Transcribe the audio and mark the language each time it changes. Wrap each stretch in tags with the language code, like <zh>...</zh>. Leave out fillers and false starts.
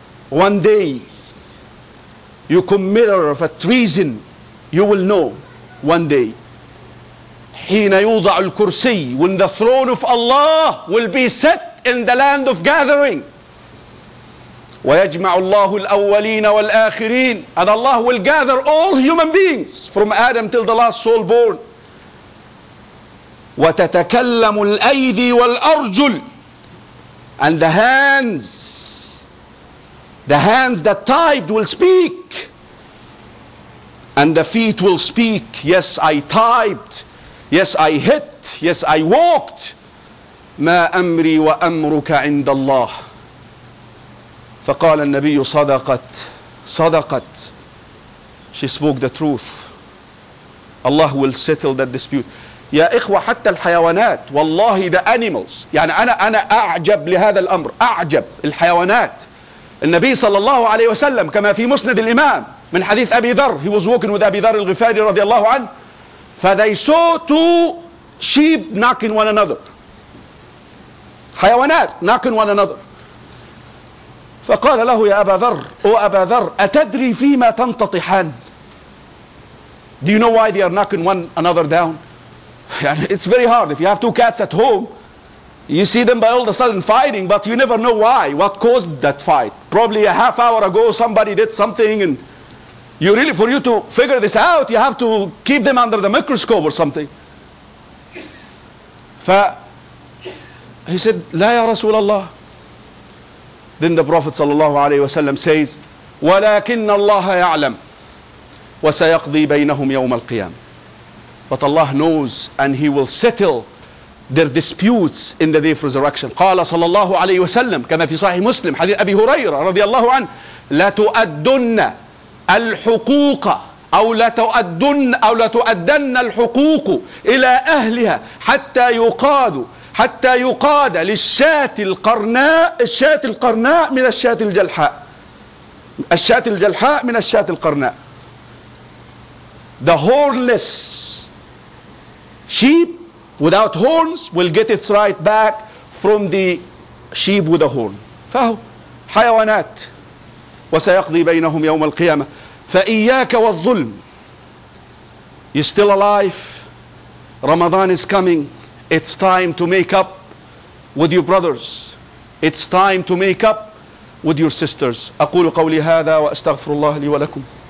<en>One day, you committer of a treason, you will know one day.</en> <ar>حين يوضع الكرسي,</ar> <en>when the throne of Allah will be set in the land of gathering.</en> <ar>ويجمع الله الأولين والآخرين.</ar> <en>And Allah will gather all human beings from Adam till the last soul born.</en> <ar>وتتكلم الأيدي والأرجل.</ar> <en>And the hands that tied will speak. And the feet will speak. Yes, I tied. Yes, I hit. Yes, I walked.</en> <ar>ما أمري وأمرك عند الله. فقال النبي صدقت صدقت.</ar> <en>She spoke the truth. Allah will settle that dispute.</en> <ar>يا إخوة حتى الحيوانات والله</ar> <en>the animals.</en> <ar>يعني أنا أعجب لهذا الأمر. أعجب الحيوانات. النبي صلى الله عليه وسلم كما في مسند الإمام من حديث أبي ذر.</ar> <en>He was walking with أبي ذر الغفاري رضي الله عنه. They saw two sheep knocking one another. حيوانات knocking one another.</en> <ar>فقال له يا أبا ذر أو أبا ذر أتدري فيما تنططحان.</ar> <en>Do you know why they are knocking one another down? It's very hard. If you have two cats at home, you see them by all of a sudden fighting, but you never know why, what caused that fight. Probably a half hour ago, somebody did something, and you really, for you to figure this out, you have to keep them under the microscope or something. He said,</en> <ar>لا يا رسول الله.</ar> <en>Then the Prophet</en> <ar>صلى الله عليه وسلم says, ولكن الله يعلم وسيقضي بينهم يوم القيامة.</ar> <en>But Allah knows and He will settle their disputes in the day of resurrection.</en> <ar>قال صلى الله عليه وسلم كما في صحيح مسلم حديث أبي هريرة رضي الله عنه لتؤدن الحقوق أو لتؤدن أو لتؤدن الحقوق إلى أهلها حتى يقاد حتى يقاد للشاة القرناء الشاة القرناء من الشاة الجلحاء الشاة الجلحاء من الشاة القرناء.</ar> <en>The hornless sheep without horns will get its right back from the sheep with a horn.</en> <ar>فهو حيوانات وسيقضي بينهم يوم القيامة. فإياك والظلم.</ar> <en>You're still alive. Ramadan is coming. It's time to make up with your brothers. It's time to make up with your sisters.</en> <ar>أقول قولي هذا وأستغفر الله لي ولكم.</ar>